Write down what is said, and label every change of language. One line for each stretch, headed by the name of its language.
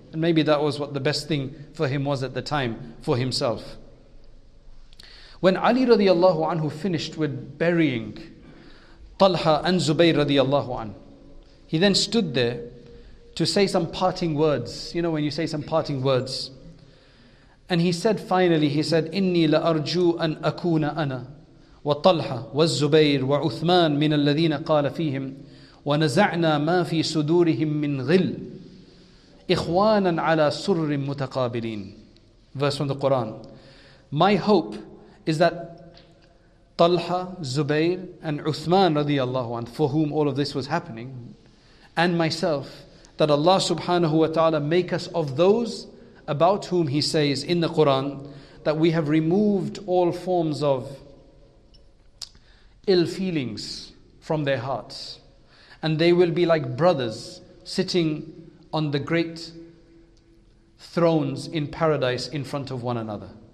English: And maybe that was what the best thing for him was at the time for himself. When Ali radiallahu anhu finished with burying Talha and Zubayr radiallahu anhu, He then stood there to say some parting words. You know when you say some parting words. And he said finally, he said,
Arabic: إِنِّي لَأَرْجُوْ أَنْ أَكُونَ أَنَا وَطَلْحَ وَالزُّبَيْرِ وَعُثْمَانِ مِنَ الَّذِينَ قَالَ فِيهِمْ وَنَزَعْنَا مَا فِي سُدُورِهِمْ مِنْ غِلٍ إِخْوَانًا عَلَى سُرٍّ مُتَقَابِلِينَ.
English: Verse from the Quran. My hope is that Talha, Zubair, and Uthman radiallahu anhu, for whom all of this was happening, and myself, that Allah subhanahu wa ta'ala make us of those about whom He says in the Quran that we have removed all forms of ill feelings from their hearts, and they will be like brothers sitting on the great thrones in paradise in front of one another.